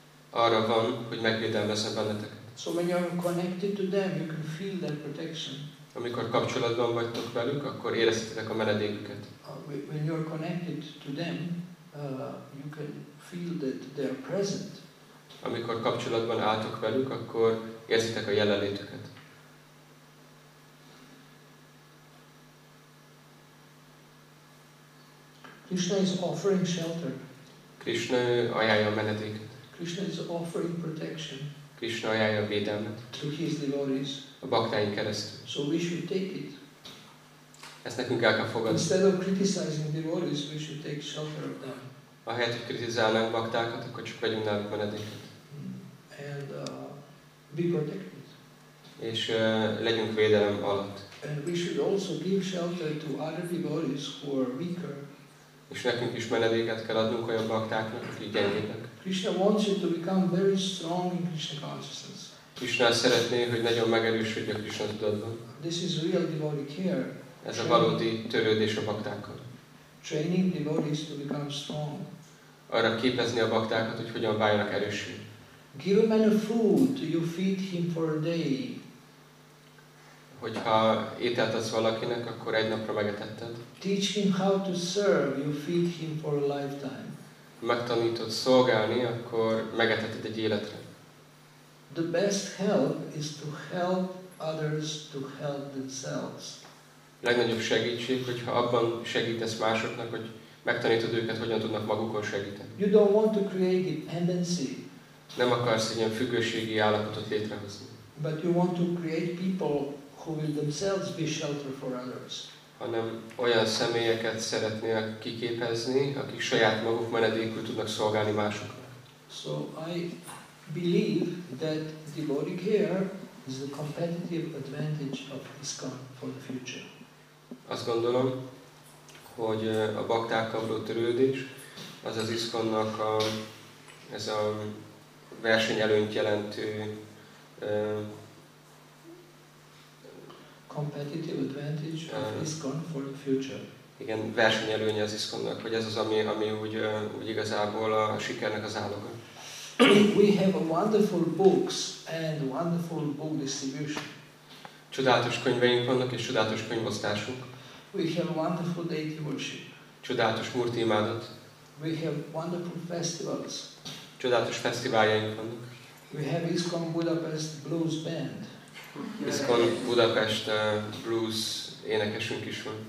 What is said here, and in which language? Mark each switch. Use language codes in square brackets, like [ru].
[hu] Arra van, hogy megvédelmezze benneteket. [en] So when you are connected to them, you can feel their protection. [hu] Amikor kapcsolatban vagytok velük, akkor érezhetitek a menedéküket. [en] When you are connected to them, you can feel that they are present. [hu] Amikor kapcsolatban álltok velük, akkor érzitek a jelenlétüket. [en] Krishna is offering shelter. [hu] Krishna ajánlja a menedéket. [en] Krishna is offering protection. [hu] Krishna ajánlja a védelmet. [en] Through his devotees. [hu] A baktáink keresztül. [en] So we should take it. [hu] Ezt nekünk el kell fogadni. [en] Instead of criticizing devotees, we should take shelter of them. [hu] Ahelyett, hogy kritizálnánk baktákat, akkor csak vegyünk náluk menedéket. [en] And be protected. [hu] És legyünk védelem alatt. [en] And we should also give shelter to other devotees who are weaker. [hu] És nekünk is menedéket kell adnunk olyan baktáknak, akik gyengébbek. [en] Krishna wants you to become very strong in Krishna consciousness. [hu] Krishna szeretné, hogy nagyon megerősödj a Krishna tudatban. [en] This is real devotee care. [hu] Ez a valódi törődés a baktákkal. [en] Training devotees to become strong. [hu] Arra képezni a baktákat, hogy hogyan váljanak erőssé. [en] Give a man a food, you feed him for a day. [hu] Hogyha ételt adsz valakinek, akkor egy napra megetetted. [en] Teach him how to serve, you feed him for a lifetime. [hu] Megtanítod szolgálni, akkor megeteted egy életre. [en] The best help is to help others to help themselves. [hu] Legnagyobb segítség, hogyha abban segítesz másoknak, hogy megtanítod őket, hogyan tudnak magukon segíteni. [en] You don't want to create dependency. [hu] Nem akarsz egy ilyen függőségi állapotot létrehozni. [en] But you want to create people who will themselves be shelter for others. [hu] Hanem olyan személyeket szeretnél kiképezni, akik saját maguk menedékül tudnak szolgálni másoknak. [en] So I believe that devotee care is the competitive advantage of ISKCON for the future. [hu] Azt gondolom, hogy a baktákkal való törődés az az ISKCON-nak ez a versenyelőnyt jelentő [en] competitive advantage of ISKCON for the future. [hu] Igen, versenyelőnye az ISKCON-nak, hogy ez az, ami úgy igazából a sikernek az áloga. [en] We have a wonderful books and wonderful book distribution. [hu] Csodálatos könyveink vannak és csodálatos könyvosztásunk. [en] We have wonderful deity worship. [hu] Csodálatos murti imádat. [en] We have wonderful festivals. [hu] Csodálatos fesztiváljaink vannak. [en] We have ISKCON Budapest Blues Band. [hu] ISKCON Budapest blues énekesünk is van.